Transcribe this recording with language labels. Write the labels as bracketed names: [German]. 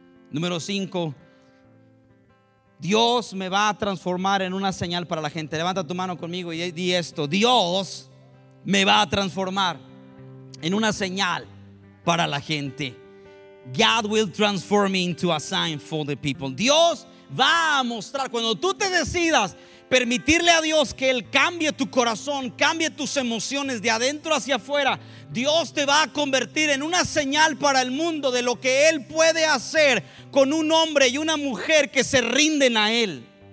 [Spanish] Número 5. Dios me va a transformar en una señal para la gente. Levanta tu mano conmigo y di esto: Dios me va a transformar en una señal para la gente. [English] God will transform me into a sign for the people. [Spanish] Dios va a mostrar, cuando tú te decidas permitirle a Dios que Él cambie tu corazón, cambie tus emociones de adentro hacia afuera, Dios te va a convertir en una señal para el mundo de lo que Él puede hacer con un hombre y una mujer que se rinden a Él.